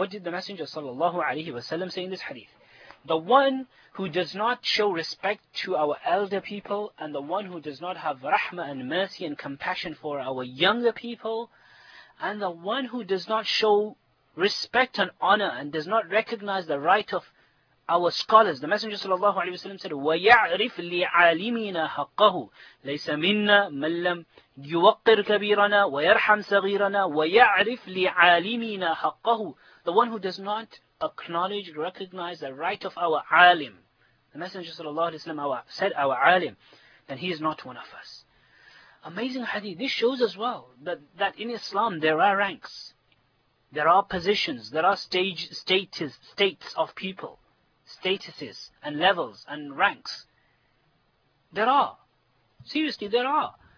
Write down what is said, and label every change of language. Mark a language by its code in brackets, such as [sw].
[en] What did the Messenger sallallahu alayhi wa sallam say in this hadith? The one who does not show respect to our elder people, and the one who does not have rahmah and mercy and compassion for our younger people, and the one who does not show respect and honor and does not recognize the right of our scholars. The Messenger sallallahu alayhi wa sallam said, [ar] وَيَعْرِفْ لِعَالِمِنَا حَقَّهُ لَيْسَ مِنَّا مَنْ لَمْ يُوَقِّرْ كَبِيرَنَا وَيَرْحَمْ صَغِيرَنَا وَيَعْرِفْ لِعَالِمِنَا حَقَّهُ. [en] The one who does not acknowledge, recognize the right of our alim. The Messenger sallallahu alayhi wa sallam said, our alim, then he is not one of us. Amazing hadith. This shows as well that in Islam there are ranks, there are positions, there are states of people, statuses and levels and ranks. There are. Seriously, there are.